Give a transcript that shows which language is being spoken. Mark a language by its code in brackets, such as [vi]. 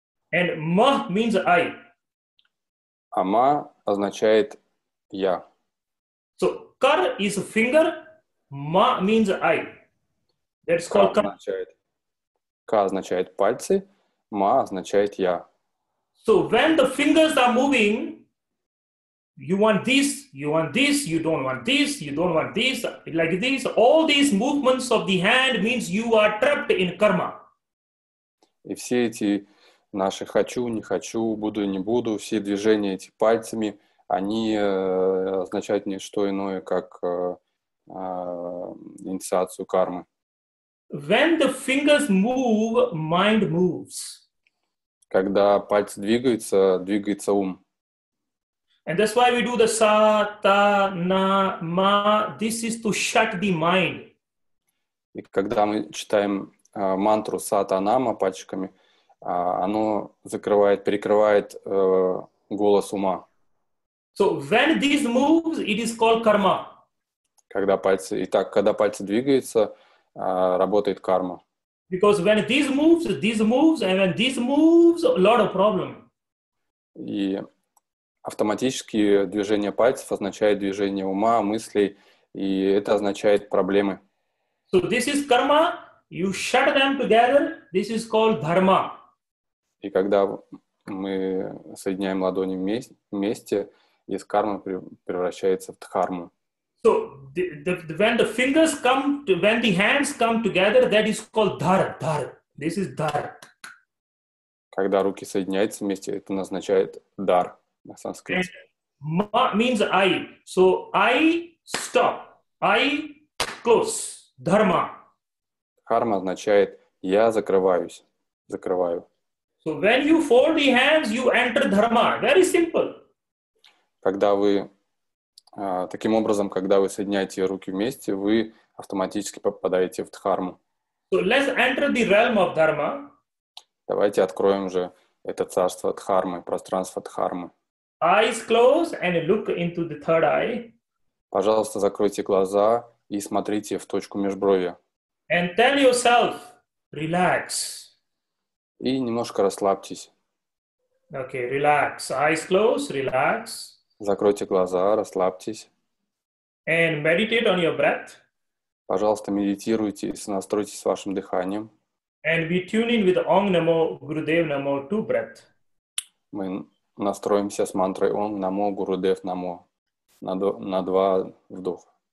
[en] And ma means I. [ru] А ма означает я. [en] So kar is finger, ma means I. That's called kar. [ru] Ка означает пальцы, ма означает я. [en] So when the fingers are moving, you want this, you want this, you don't want this, you don't want this, like this. All these movements of the hand means you are trapped in karma. [ru] И все эти наши хочу, не хочу, буду, не буду, все движения эти пальцами, они означают не что иное, как инициацию кармы. [en] When the fingers move, mind moves. [ru] Когда пальцы двигаются, двигается ум. [en] And that's why we do the sa, ta, na, ma. This is to shut the mind. [ru] И когда мы читаем мантру са, та, на, ма пальчиками, оно закрывает, перекрывает голос ума. [en] So when this moves, it is called karma. [ru] Когда пальцы двигаются, работает карма. [en] Because when this moves, and when this moves, a lot of problem. [ru] И автоматически движение пальцев означает движение ума, мыслей, и это означает проблемы. [en] So this is karma. You shut them together. This is called dharma. [ru] И когда мы соединяем ладони вместе, из кармы превращается в дхарму. [en] So when the hands come together, that is called dhar. This is dhar. [ru] Когда руки соединяются вместе, это означает дар. На санскрите. [en] Ma means I. So I stop. I close. Dharma. [ru] Dharma означает я закрываюсь. Закрываю. [en] So when you fold the hands, you enter dharma. Very simple. [ru] Когда вы таким образом, когда вы соединяете руки вместе, вы автоматически попадаете в дхарму. [en] So let's enter the realm of dharma. [ru] Давайте откроем же это царство дхармы, пространство дхармы. [en] Eyes close and look into the third eye. [ru] Пожалуйста, закройте глаза и смотрите в точку межброви. [en] And tell yourself, relax. [ru] И немножко расслабьтесь. [en] Okay, relax. Eyes close, relax. [ru] Закройте глаза, расслабьтесь. [en] And meditate on your breath. [ru] Пожалуйста, медитируйте и настройтесь с вашим дыханием. [en] And we tune in with Ong Namo Gurudev Namo to breath. [ru] Мы настроимся с мантрой Ом Намо Гурудев Намо на два вдоха.